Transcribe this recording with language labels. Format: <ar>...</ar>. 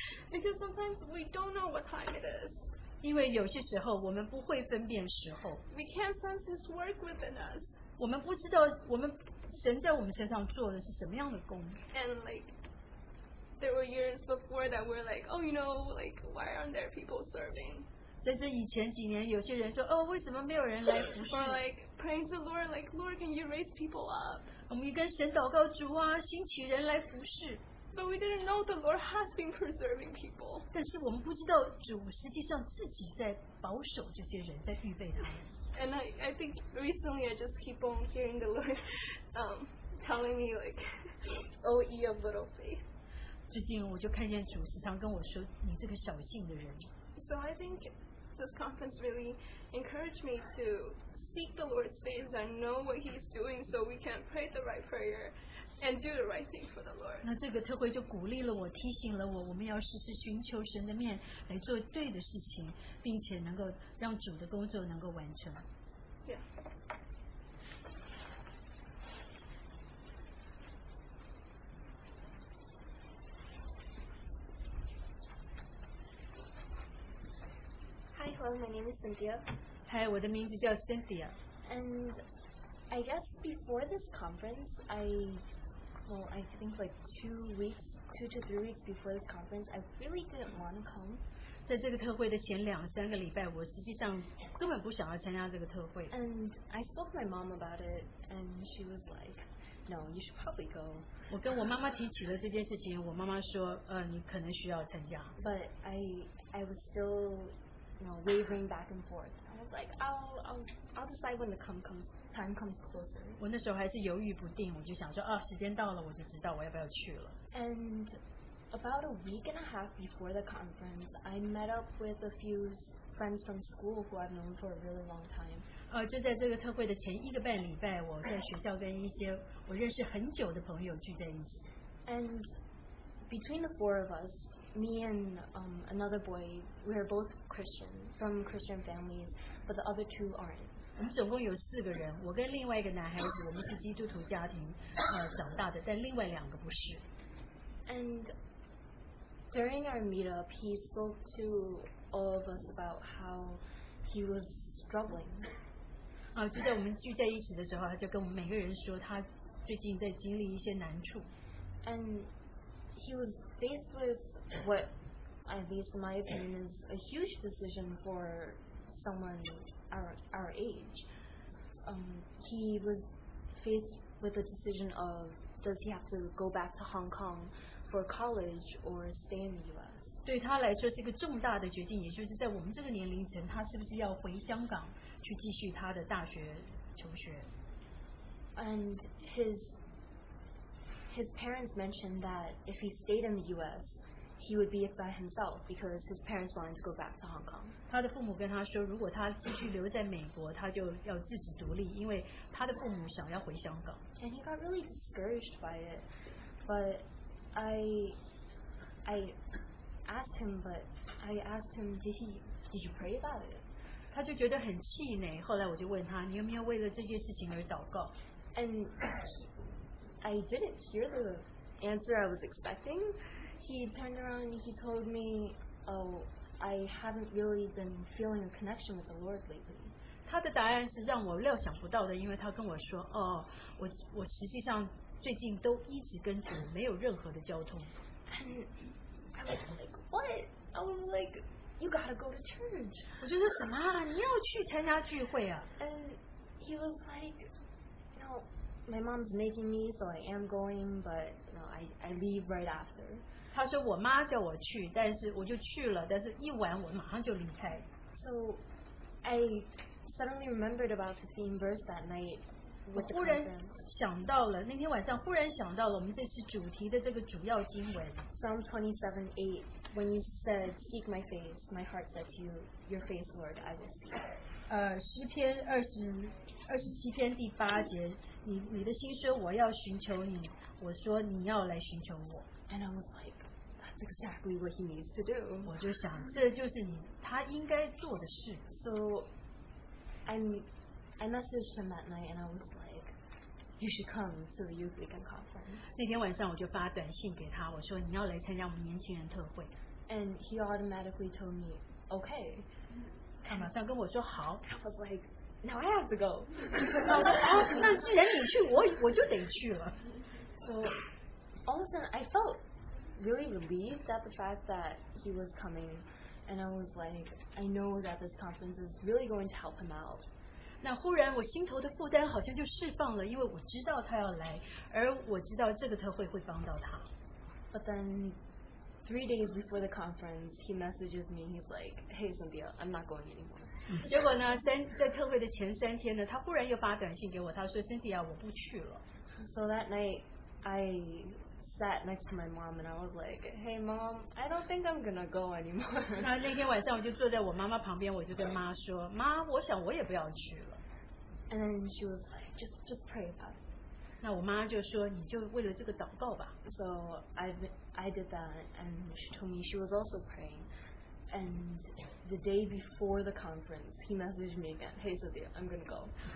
<en>Because sometimes we don't know what time it is.</en> <zh>因为有些时候我们不会分辨时候。</zh> <en>We can't sense His work within us.</en> <zh>我们不知道我们神在我们身上做的是什么样的工。</zh> <en>And like, there were years before that we're like, oh, you know, like, why aren't there people serving?</en> <zh>在这以前几年，有些人说：“哦，为什么没有人来服侍？”</zh> <en>Or like praying to Lord, like Lord, can you raise people up?</en> <zh>我们也跟神祷告，主啊，兴起人来服侍。</zh> <en>But we didn't know the Lord has been preserving people.</en> <zh>但是我们不知道主实际上自己在保守这些人，在预备他们。</zh> <en>And I think recently I just keep on hearing the Lord, telling me like, "Oh, ye of little faith."</en> <zh>最近我就看见主时常跟我说：“你这个小信的人。”</zh> <en>So I think. This conference really encouraged me to seek the Lord's face and know what He's doing so we can pray the right prayer and do the right thing for the Lord.</en> <zh>那这个特会就鼓励了我，提醒了我，我们要时时寻求神的面来做对的事情，并且能够让主的工作能够完成。</zh> <en>Yeah. Hello, my name is Cynthia. Hi,</en> <zh>我的名字叫 Cynthia.</zh> <en>And I guess before this conference, I think like two to three weeks before this conference, I really didn't want to come.</en> <zh>在这个特会的前两三个礼拜，我实际上根本不想要参加这个特会。</zh> <en>And I spoke to my mom about it, and she was like, "No, you should probably go."</en> <zh>我跟我妈妈提起了这件事情，我妈妈说，你可能需要参加。</zh> <en>But I was still. You know, wavering back and forth. I was like, I'll decide when the time comes closer.</en> <zh>我那时候还是犹豫不定，我就想说，时间到了，我就知道我要不要去了。</zh> <en>And about a week and a half before the conference, I met up with a few friends from school who I've known for a really long time.</en> <zh>就在这个特会的前一个半礼拜，我在学校跟一些我认识很久的朋友聚在一起。</zh> <en>And between the four of us, me and another boy, we are both. Christian, from Christian families, but the other two aren't.</en> <zh>我们总共有四个人，我跟另外一个男孩子，我们是基督徒家庭，长大的，但另外两个不是。</zh> <en>And during our meetup, he spoke to all of us about how he was struggling.</en> <zh>就在我们聚在一起的时候，他就跟我们每个人说他最近在经历一些难处。</zh> <en>And he was faced with what, at least in my opinion, is a huge decision for someone our age. He was faced with the decision of does he have to go back to Hong Kong for college or stay in the U.S.</en> <zh>对他来说是一个重大的决定，也就是在我们这个年龄层，他是不是要回香港去继续他的大学求学。</zh> <en>And his parents mentioned that if he stayed in the U.S., he would be by himself because his parents wanted to go back to Hong Kong.</en> <zh>他的父母跟他说，如果他继续留在美国，他就要自己独立，因为他的父母想要回香港。</zh> <en>And he got really discouraged by it, but I asked him, did you pray about it?</en> <zh>他就觉得很气馁。后来我就问他，你有没有为了这件事情而祷告？</zh> <en>And I didn't hear the answer I was expecting. He turned around and he told me, oh, I haven't really been feeling a connection with the Lord lately.</en> <zh>他的答案是让我料想不到的，因为他跟我说，哦，我实际上最近都一直跟主没有任何的交通。</zh> <en>And I was like, what? I was like, you gotta go to church.</en> <zh>我就说什么啊，你要去参加聚会啊。</zh> <en>And he was like, no. My mom's making me, so I am going, but you know, I leave right after.</en> <zh>他说我妈叫我去，但是我就去了，但是一晚我马上就离开。</zh> <en>So I suddenly remembered about the theme verse that night.</en> <zh>我忽然想到了，那天晚上忽然想到了我们这次主题的这个主要经文。</zh> <en>Psalm 27:8, when you said, seek my face, my heart said to you, your face, Lord, I will seek.</en> <zh>诗篇27篇第八节，你的心说我要寻求你，我说你要来寻求我。</zh> <en>And I was like, that's exactly what he needs to do.</en> <zh>我就想，这就是他应该做的事。</zh> <en>So, I messaged him that night, and I was like, you should come to the youth weekend conference.</en> <zh>那天晚上我就发短信给他，我说你要来参加我们年轻人特会。</zh> <en>And he automatically told me, okay.</en> <zh>他马上跟我说好。</zh> <en>I was like, now I have to go.</en> <zh>那既然你去，我就得去了。</zh> <en>So all of a sudden, I felt really relieved at the fact that he was coming, and I was like, I know that this conference is really going to help him out.</en> <zh>那忽然我心头的负担好像就释放了，因为我知道他要来，而我知道这个特会会帮到他。</zh> <en>But then. 3 days before the conference, he messages me. He's like, "Hey Cynthia, I'm not going anymore."</en> <zh>结果呢，在特会的前三天呢，他忽然又发短信给我，他说 ，Cynthia， 我不去了。</zh> <en>So that night, I sat next to my mom and I was like, "Hey mom, I don't think I'm gonna go anymore."</en> <zh>那天晚上我就坐在我妈妈旁边，我就跟妈说，妈，我想我也不要去了。</zh> <en>And then she was like, "Just pray about it."</en> <zh>那我妈就说，你就为了这个祷告吧。</zh> <en>So I did that, and she told me she was also praying. And the day before the conference, he messaged me again, "Hey Cynthia, I'm gonna go."</en>